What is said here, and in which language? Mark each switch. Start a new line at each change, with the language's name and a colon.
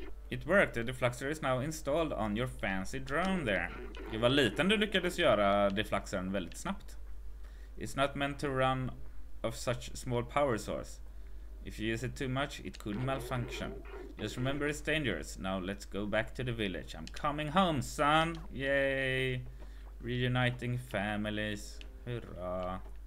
English: It worked. The defluxor is now installed on your fancy drone there.
Swedish: Det var liten du lyckades göra defluxern väldigt snabbt.
English: It's not meant to run of such small power source. If you use it too much, it could malfunction. Just remember it's dangerous. Now let's go back to the village. I'm coming home, son! Yay! Reuniting families. Hurra!